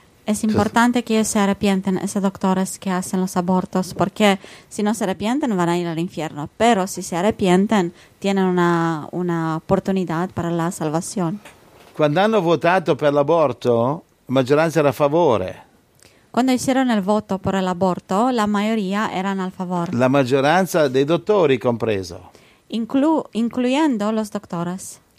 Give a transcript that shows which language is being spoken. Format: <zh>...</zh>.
<it>È importante che si arrepientano, se dottore che</it> <es>hacen los abortos,</es> <it>perché se non si arrepientano vanno all'inferno, però se si arrepientano</it> <es>tienen una</es> <it>opportunità per la salvazione. Quando hanno votato per l'aborto, la maggioranza era a favore.</it> <es>Quando hicieron el voto por el aborto, la mayoría eran al favor.</es> <it>La maggioranza dei dottori compreso.</it> <es>Incluyendo los doctores.</es>